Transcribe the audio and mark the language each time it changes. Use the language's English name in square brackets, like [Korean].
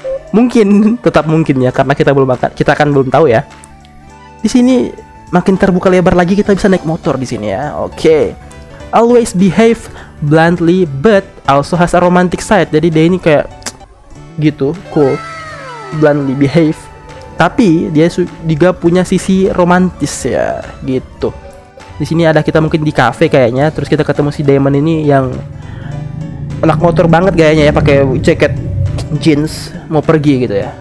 [Indonesian] Mungkin, tetap mungkin ya, karena kita belum akan, kita kan belum tahu ya. Di sini makin terbuka lebar lagi, kita bisa naik motor di sini ya. Oke. [English] Always behave bluntly, but also has a romantic side. [Indonesian] Jadi dia ini kayak gitu, cool, [English] bluntly behave. [Indonesian] Tapi dia juga punya sisi romantis ya gitu. Di sini ada kita mungkin di kafe kayaknya, terus kita ketemu si Damon ini yang anak motor banget gayanya ya, pakai jaket jeans mau pergi gitu ya.